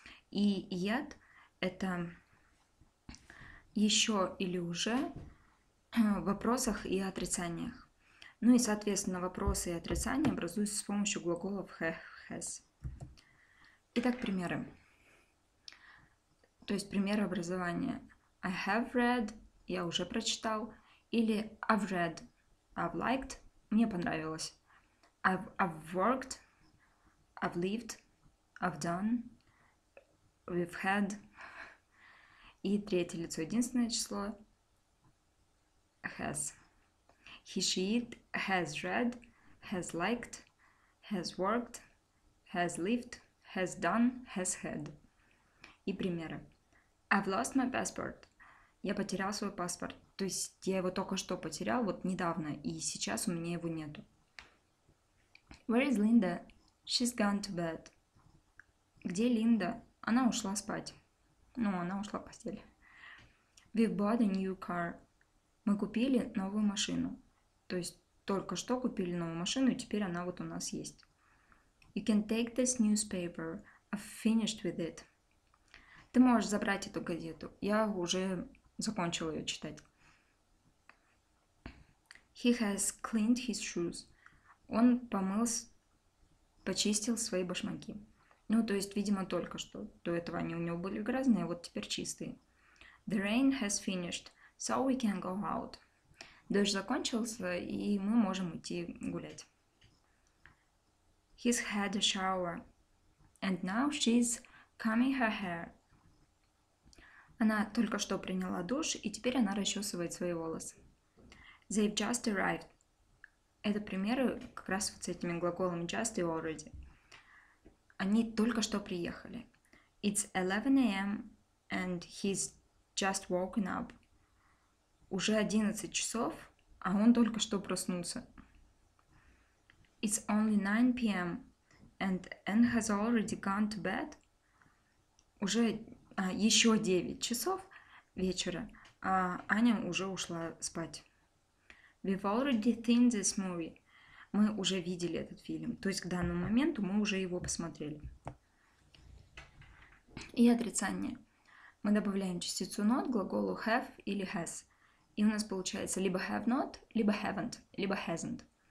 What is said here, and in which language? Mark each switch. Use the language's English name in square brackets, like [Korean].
[Russian] И yet – это еще или уже в вопросах и отрицаниях. Ну и, соответственно, вопросы и отрицания образуются с помощью глаголов have, has. Итак, примеры. То есть примеры образования. [English] I have read, [Russian] я уже прочитал. [English] Или I've read, I've liked, [Russian] мне понравилось. [English] I've worked, I've lived, I've done, we've had. [Russian] И третье лицо, единственное число. [English] Has. He, she, it, has read, has liked, has worked, has lived. Has done, has had. [Russian] И примеры. [English] I've lost my passport. [Russian] Я потерял свой паспорт. То есть я его только что потерял, вот недавно, и сейчас у меня его нету. [English] Where is Linda? She's gone to bed. [Russian] Где Линда? Она ушла спать. Ну, она ушла в постель. [English] We've bought a new car. [Russian] Мы купили новую машину. То есть только что купили новую машину, и теперь она вот у нас есть. [English] You can take this newspaper. I've finished with it. [Russian] Ты можешь забрать эту газету. Я уже закончила ее читать. [English] He has cleaned his shoes. [Russian] Он почистил свои башмаки. Ну, то есть, видимо, только что. До этого они у него были грязные, а вот теперь чистые. [English] The rain has finished, so we can go out. [Russian] Дождь закончился, и мы можем идти гулять. [English] He's had a shower, and now she's combing her hair. [Russian] Она только что приняла душ, и теперь она расчесывает свои волосы. [English] They've just arrived. [Russian] Это примеры как раз вот с этими глаголами just и already. Они только что приехали. [English] It's 11 a.m., and he's just woken up. [Russian] Уже 11 часов, а он только что проснулся. [English] It's only 9 p.m. and Anne has already gone to bed. [Russian] Уже еще 9 часов вечера, а Аня уже ушла спать. [English] We've already seen this movie. [Russian] Мы уже видели этот фильм. То есть к данному моменту мы уже его посмотрели. И отрицание. Мы добавляем частицу not к глаголу have или has. И у нас получается либо have not, либо haven't, либо hasn't.